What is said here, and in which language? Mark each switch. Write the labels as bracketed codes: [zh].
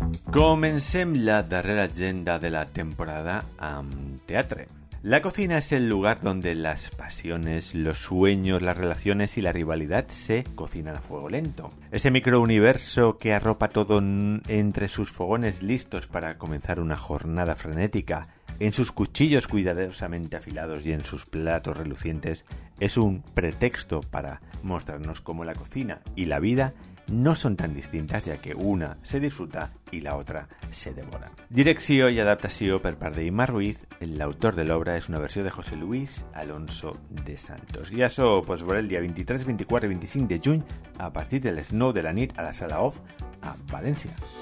[ca] Comencem la darrera agenda de la temporada amb teatre. [es] La cocina es el lugar donde las pasiones, los sueños, las relaciones y la rivalidad se cocinan a fuego lento. Ese microuniverso que arropa todo entre sus fogones listos para comenzar una jornada frenética, en sus cuchillos cuidadosamente afilados y en sus platos relucientes, es un pretexto para mostrarnos cómo la cocina y la vida no son tan distintas, ya que una se disfruta y la otra se devora. [ca] Direcció i adaptació per part d'Imar Ruiz, l'autor de l'obra és una versió de José Luis Alonso de Santos. I això ho pots veure el dia 23, 24 i 25 de juny a partir de les 9 de la nit a la Sala Off a València.